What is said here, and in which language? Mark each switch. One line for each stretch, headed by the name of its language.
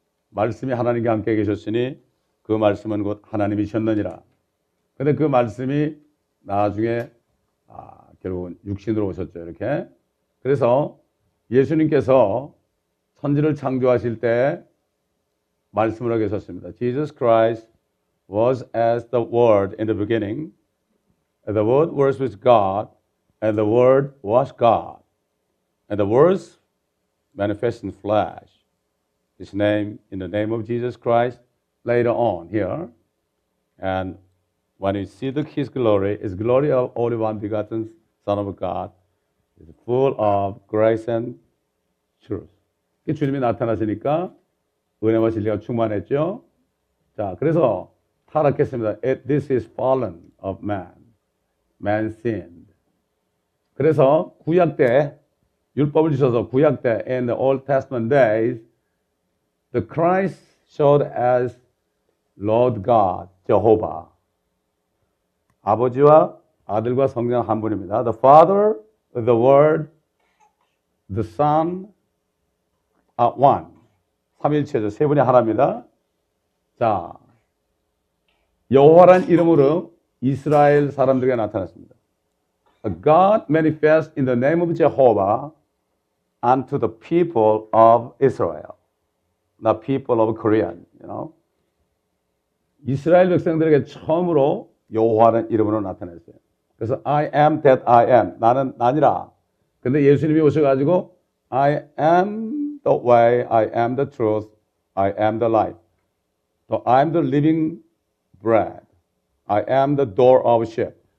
Korean: 말씀이 하나님과 함께 계셨으니 그 말씀은 곧 하나님이셨느니라. 근데 그 말씀이 나중에, 결국은 육신으로 오셨죠, 이렇게. 그래서 예수님께서 천지를 창조하실 때 말씀으로 계셨습니다.
English: Jesus Christ was as the Word in the beginning. And the Word was with God. And the Word was God. And the Word manifested in flesh. His name, in the name of Jesus Christ. Later on here, and when you see the His glory, His glory of only one begotten Son of God, is full of grace and truth.
Korean: 주님이 나타나시니까 은혜와 진리가 충만했죠. 자, 그래서 타락했습니다.
English: This is fallen of man. Man sinned.
Korean: 그래서 구약 때 율법을 주셔서 구약 때
English: in the Old Testament days, the Christ showed as Lord God, Jehovah.
Korean: 아버지와 아들과 성령 한 분입니다.
English: The Father, the Word, the Son are one.
Korean: 삼일체죠. 세 분이 하나입니다. 자, 여호와란 이름으로 이스라엘 사람들에게 나타났습니다.
English: God manifest in the name of Jehovah unto the people of Israel, the people of Korean, you know.
Korean: 이스라엘 백성들에게 처음으로 여호와는 이름으로 나타났어요. 그래서
English: I am that I am.
Korean: 나는 나니라. 근데 예수님이 오셔가지고
English: I am the way, I am the truth, I am the life. So I am the living bread. I am the door of sheep.